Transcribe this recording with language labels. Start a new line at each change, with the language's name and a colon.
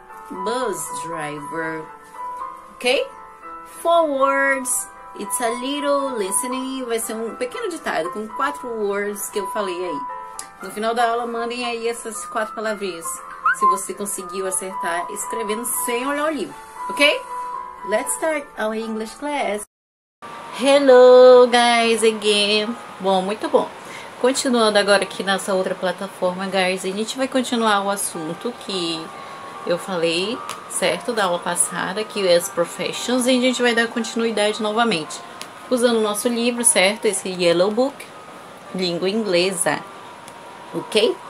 English: Bus driver. Okay? Four words. It's a little listening,
Portuguese: vai ser um pequeno ditado com quatro words que eu falei aí. No final da aula, mandem aí essas quatro palavrinhas, se você conseguiu acertar escrevendo sem olhar o livro, ok?
English: Let's start our English class. Hello, guys, again.
Portuguese: Bom, muito bom. Continuando agora aqui nessa outra plataforma, guys, a gente vai continuar o assunto que eu falei, certo, da aula passada, que é as professions, e a gente vai dar continuidade novamente, usando o nosso livro, certo, esse Yellow Book, língua inglesa, ok?